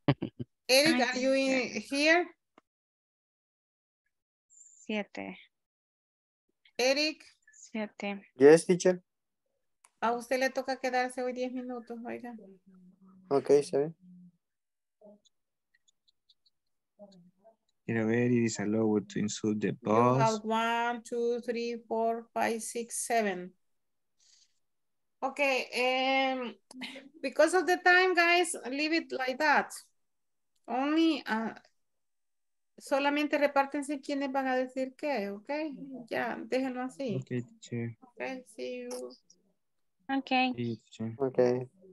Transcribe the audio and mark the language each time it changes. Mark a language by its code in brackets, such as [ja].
[es] Eric, ¿estás aquí? 7. Eric. 7. [en] Yes, teacher. [es] A usted le toca quedarse hoy 10 minutos, oiga. Okay, se ve. Quiero ver, [en] it is allowed to insult the boss. You have 1, 2, 3, 4, 5, 6, 7. Okay, because of the time, guys, leave it like that. [es] Only, solamente repártense quienes van a decir qué, okay? Ya, yeah, déjenlo así. [en] Okay, teacher. Okay, see you. Okay. See you, teacher. Okay.